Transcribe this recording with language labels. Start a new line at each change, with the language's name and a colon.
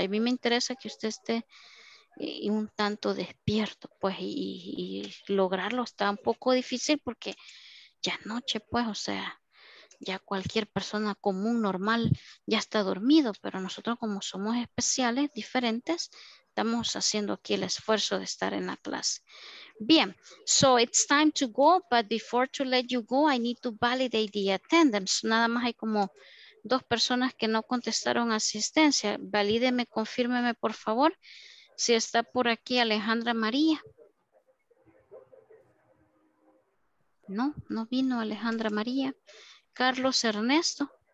Spanish: A mí me interesa que usted esté un tanto despierto, pues, y lograrlo está un poco difícil porque ya es noche, pues, o sea, ya cualquier persona común, normal, ya está dormido, pero nosotros como somos especiales, diferentes, estamos haciendo aquí el esfuerzo de estar en la clase.
English: Bien, so it's time to go, but before to let you go, I need to validate the attendance.
Spanish: Nada más hay como dos personas que no contestaron asistencia. Valídeme, confírmeme, por favor, si está por aquí Alejandra María. No, no vino Alejandra María. Carlos Ernesto.